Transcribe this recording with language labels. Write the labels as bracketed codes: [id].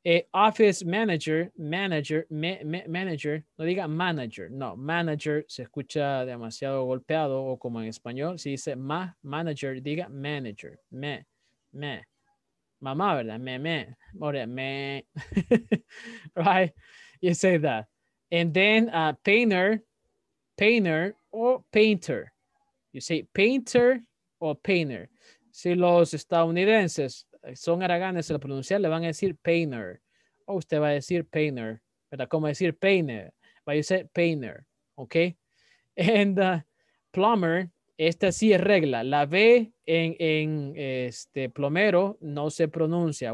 [es] Office manager, no diga manager, no, manager se escucha demasiado golpeado o como en español, si dice manager, diga manager, me, mamá, ¿verdad? [en] Me, right? You say that. And then painter or painter, you say painter or painter. [es] Si los estadounidenses son araganes al pronunciar, le van a decir painter. O usted va a decir painter, ¿verdad? ¿Cómo decir painter? [en] But you said painter, [es] ¿ok? [en] And plumber, [es] esta sí es regla. La B en este plomero no se pronuncia.